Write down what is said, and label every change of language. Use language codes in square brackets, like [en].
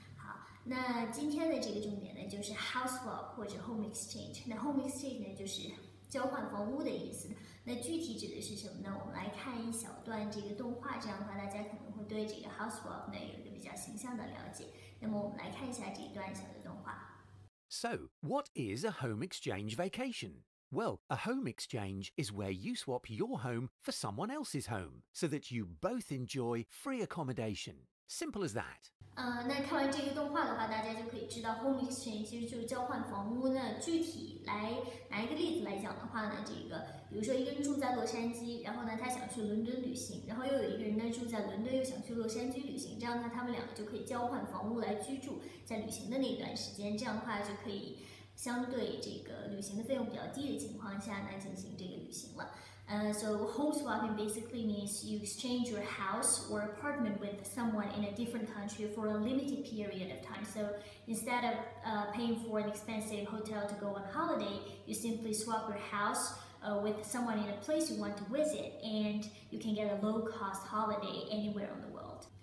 [zh] 好，那今天的这个重点呢，就是 house swap 或者 home exchange。那 home exchange 呢，就是交换房屋的意思。那具体指的是什么呢？我们来看一小段这个动画，这样的话大家可能会对这个 house swap 呢有一个比较形象的了解。那么我们来看一下这一段小的动画。 [en] So, what is a home exchange vacation? Well, a home exchange is where you swap your home for someone else's home, so that you both enjoy free accommodation. Simple as that. [zh] 那看完这个动画的话，大家就可以知道 home exchange 其实就是交换房屋。那具体来拿一个例子来讲的话呢，这个比如说一个人住在洛杉矶，然后呢他想去伦敦旅行，然后又有一个人呢住在伦敦又想去洛杉矶旅行，这样呢他们两个就可以交换房屋来居住，在旅行的那段时间，这样的话就可以相对这个旅行的费用比较低的情况下来进行这个旅行了。 [en] So home swapping basically means you exchange your house or apartment with someone in a different country for a limited period of time. So instead of paying for an expensive hotel to go on holiday, you simply swap your house with someone in a place you want to visit, and you can get a low-cost holiday anywhere in the world.